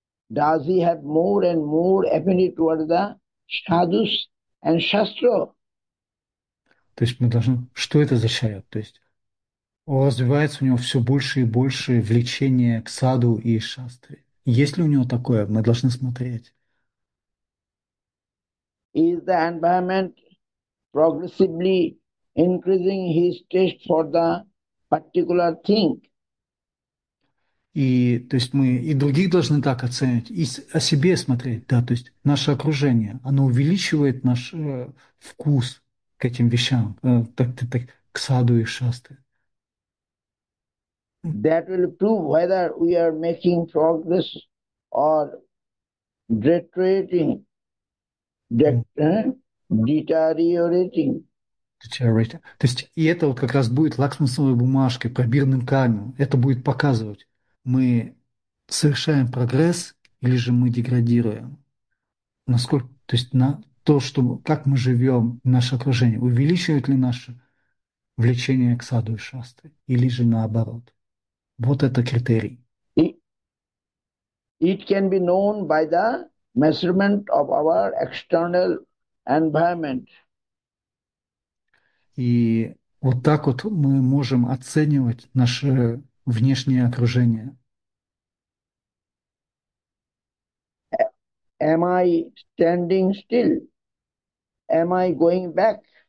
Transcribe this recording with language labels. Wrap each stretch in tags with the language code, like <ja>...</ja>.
<en>Does he have more and more affinity toward the sadhus and shastra?</en> <ru>То есть мы должны... Что это за человек? То есть развивается у него все больше и больше влечение к саду и шастре. Есть ли у него такое? Мы должны смотреть.</ru> <en>Is the environment progressively increasing his taste for the particular thing?</en> <ru>И то есть мы и других должны так оценивать, и о себе смотреть, да, то есть наше окружение, оно увеличивает наш вкус к этим вещам, к саду и шастре.</ru> <en>That will prove whether we are making progress or deteriorating. Deteriorating.</en> <ru>То есть и это вот как раз будет лакмусовой бумажкой, пробирным камнем. Это будет показывать, мы совершаем прогресс или же мы деградируем. Насколько, то есть на то, что, как мы живем, наше окружение, увеличивает ли наше влечение к саду и шастре, или же наоборот. Вот это критерий.</ru> <en>It can be known by the measurement of our external environment.</en> <ru>И вот так вот мы можем оценивать наше внешнее окружение.</ru> <en>Am I standing still? Am I going back?</en>